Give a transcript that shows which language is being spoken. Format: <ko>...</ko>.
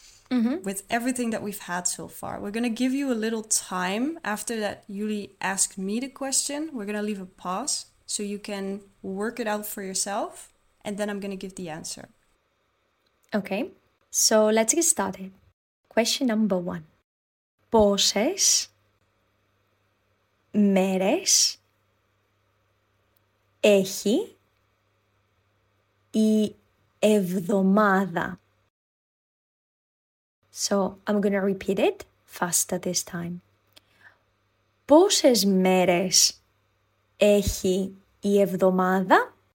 <en>Mm-hmm. With everything that we've had so far, we're going to give you a little time after that Yuli asked me the question. We're going to leave a pause so you can work it out for yourself. And then I'm going to give the answer. Okay, so let's get started. Question number 1.</en> <el>Πόσες μέρες έχει η εβδομάδα?</el> <en>So I'm going to repeat it faster this time.</en> <el>Πόσες μέρες έχει η εβδομάδα?</el>